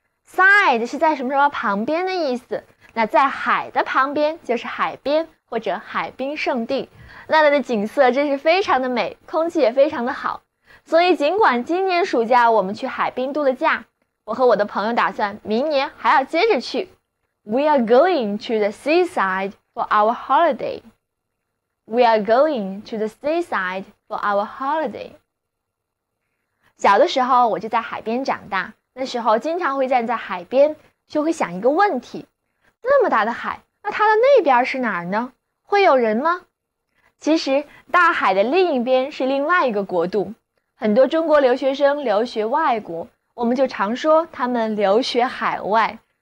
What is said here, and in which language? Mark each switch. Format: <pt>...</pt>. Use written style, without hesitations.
<zh>Side 是在什么什么旁边的意思，那在海的旁边就是海边或者海滨圣地。那里的景色真是非常的美，空气也非常的好。所以尽管今年暑假我们去海滨度了假，我和我的朋友打算明年还要接着去。</zh> <en>We are going to the seaside for our holiday. We are going to the seaside for our holiday.</en> <zh>小的时候我就在海边长大，那时候经常会站在海边，就会想一个问题，这么大的海，那它的那边是哪儿呢？会有人吗？其实大海的另一边是另外一个国度。很多中国留学生留学外国，我们就常说他们留学海外。</zh>